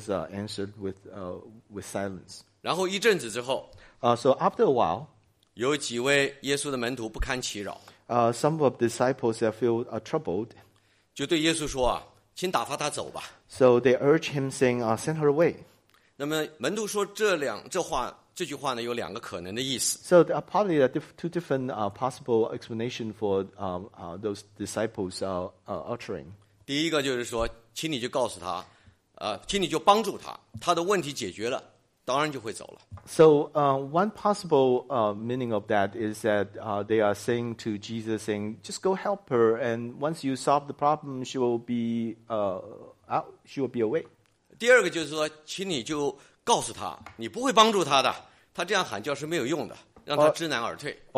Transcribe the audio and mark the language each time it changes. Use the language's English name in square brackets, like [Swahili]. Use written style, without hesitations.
[English] So the woman probably is crying out consistently, but Jesus answered with silence. [Chinese] 然后一阵子之后。 [English] So after a while, [Chinese] 有几位耶稣的门徒不堪其扰。 [English] Some of the disciples feel troubled. [Chinese] 就对耶稣说啊，请打发他走吧。 [English] So they urge him saying, send her away. [Chinese] 那么门徒说这句话呢，有两个可能的意思。 [English] So there are probably two different possible explanations for those disciples uttering. [Chinese] 第一个就是说，请你就告诉他，请你就帮助他，他的问题解决了，当然就会走了。 [English] So one possible meaning of that is that they are saying to Jesus, just go help her, and once you solve the problem, she will be away. [Chinese] 第二个就是说，请你就告诉他，你不会帮助他的，他这样喊叫是没有用的，让他知难而退。